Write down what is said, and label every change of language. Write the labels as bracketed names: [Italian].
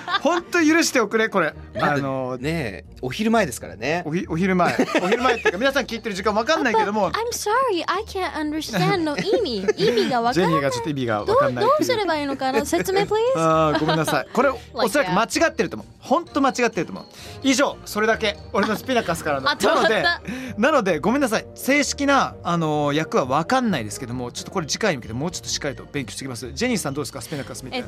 [Japanese] 本当許しておくれこれ。ねえ、お昼前ですからね。お昼前。お昼前っていうか皆さん聞いてる時間わかんないけども。 [English] I'm sorry, I can't understand [Japanese] の意味。意味がわからない。ジェニーがちょっと意味がわかんない。どうすればいいのかな。説明 please。ごめんなさい。これ、like、おそらく間違ってると思う。本当間違ってると思う。以上、それだけ。俺のスピナカスからの。なのでごめんなさい。正式な役はわかんないですけども、ちょっとこれ次回に向けてもうちょっとしっかりと勉強してきます。ジェニーさんどうですか、スピナカスみたいな。